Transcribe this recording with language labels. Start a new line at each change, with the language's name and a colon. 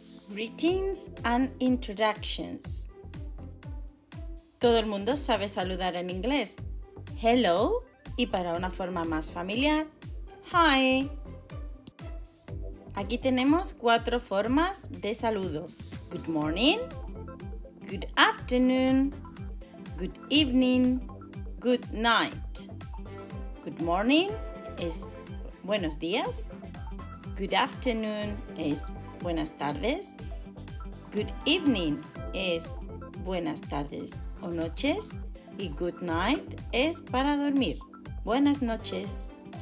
English: Greetings and introductions.
Spanish: Todo el mundo sabe saludar en inglés. Hello, y para una forma más familiar, hi. Aquí tenemos cuatro formas de saludo.
English: Good morning, good afternoon, good evening, good night.
Spanish: Good morning es buenos días. Good afternoon es buenas tardes. Good evening es buenas tardes o noches. Y good night es para dormir. Buenas noches.